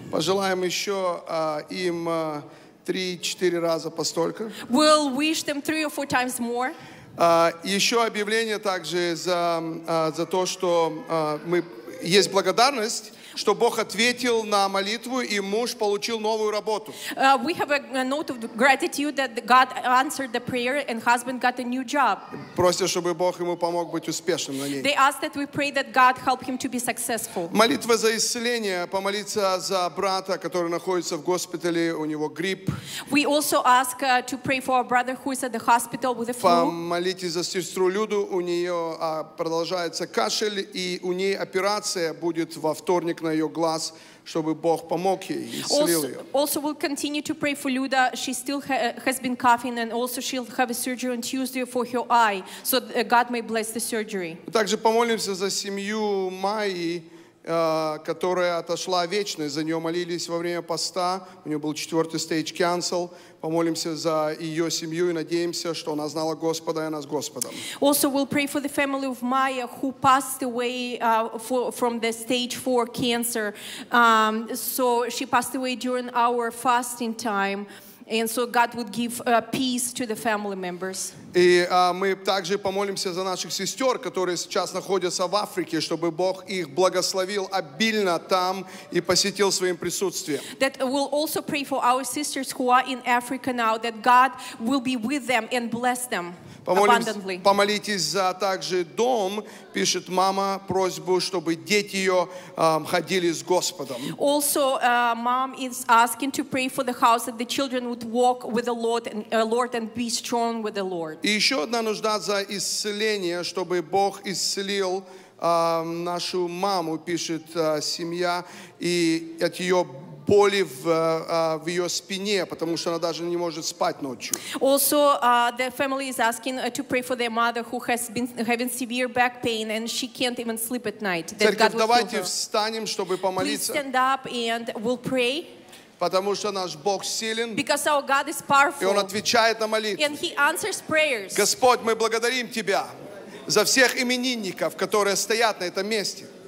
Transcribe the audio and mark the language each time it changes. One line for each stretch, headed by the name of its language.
Russian: Пожелаем еще им 3-4 раза постолько.
English: We'll wish them 3 or 4 times more.
Russian: Еще объявление также за то, что мы есть благодарность, что Бог ответил на молитву и муж получил новую работу.
English: We have a note of gratitude that God answered the prayer and husband got a new job.
Russian: Просят, чтобы Бог ему помог быть успешным на ней.
English: They ask that we pray that God help him to be successful.
Russian: Молитва за исцеление, помолиться за брата, который находится в госпитале, у него грипп.
English: We also ask to pray for our brother who is at the hospital with a flu.
Russian: Помолитесь за сестру Люду, у нее продолжается кашель и у ней операция будет во вторник на ее глаз, чтобы Бог помог ей и исцелил ее.
English: Also, we'll continue to pray for Luda. She still has been coughing, and also she'll have a surgery on Tuesday for her eye, so God may bless the surgery.
Russian: Также помолимся за семью Майи, которая отошла вечно. За нее молились во время поста. У нее был 4-й
English: stage cancel.
Russian: Помолимся за ее семью и надеемся, что она знала Господа и она с Господом.
English: Also, we'll pray for the family of Maya, who passed away from the stage 4 cancer. So she passed away during our fasting time. And so God would give peace to the family members.
Russian: И мы также помолимся за наших сестер, которые сейчас находятся в Африке, чтобы Бог их благословил обильно там и посетил своим присутствием.
English: That we'll also pray for our sisters who are in Africa now, that God will be with them and bless them.
Russian: Помолитесь за также дом, пишет мама, просьбу, чтобы дети ее ходили с Господом.
English: Also, mom is asking to pray for the house that the children would walk with the Lord and Lord and be strong with the Lord.
Russian: И еще одна нужда за исцеление, чтобы Бог исцелил нашу маму, пишет семья, и от ее боли в ее спине, потому что она даже не может спать ночью.
English: Also, the family is asking to pray for their mother who has been having severe back pain and she can't even sleep at night.
Russian: Церковь, давайте встанем, чтобы помолиться.
English: Please stand up and we'll pray.
Russian: Потому что наш Бог силен.
English: Because our God is powerful.
Russian: И Он отвечает на молитвы.
English: And He answers prayers.
Russian: Господь, мы благодарим Тебя за всех именинников, которые стоят на этом месте.